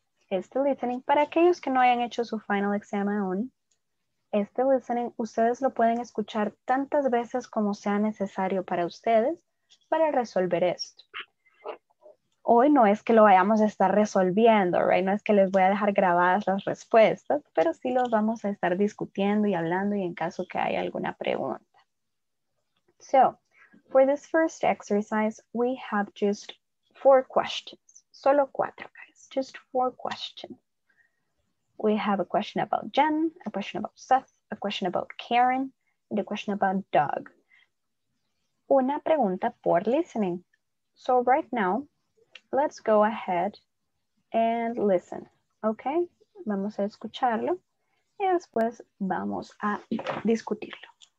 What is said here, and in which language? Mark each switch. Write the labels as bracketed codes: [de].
[es] Este listening, para aquellos que no hayan hecho su final exam aún, este listening, ustedes lo pueden escuchar tantas veces como sea necesario para ustedes para resolver esto. Hoy no es que lo vayamos a estar resolviendo, right? No es que les voy a dejar grabadas las respuestas, pero sí los vamos a estar discutiendo y hablando y en caso que haya alguna pregunta. [en] So, for this first exercise, we have just 4 questions. [es] Solo 4, [en] guys. Just 4 questions. We have a question about Jen, a question about Seth, a question about Karen, and a question about Doug. [es] Una pregunta por listening. [en] So, right now, let's go ahead and listen, okay? [es] Vamos a escucharlo y después vamos a discutirlo.